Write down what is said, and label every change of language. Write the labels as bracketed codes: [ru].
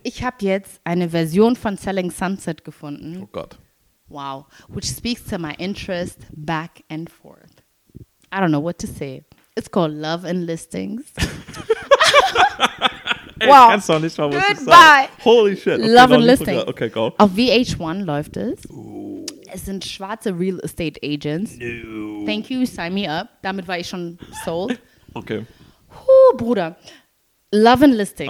[de] Ich habe jetzt eine Version von Selling Sunset gefunden. Oh Gott. [en] Wow, which speaks to my interest back and forth. I don't know what to say. It's called Love and Listings. Ey, wow. [de] Kannst du auch nicht mal, was [en] Goodbye. [de] Ich sage. [en] Holy shit. Okay, Love and Listings. Okay, go. [de] Auf VH1 läuft es. Ooh. Es sind schwarze Real Estate Agents. [en] No. Thank you, sign me up. [de] Damit war ich schon sold. Okay. Huh, Bruder. Love and Listings.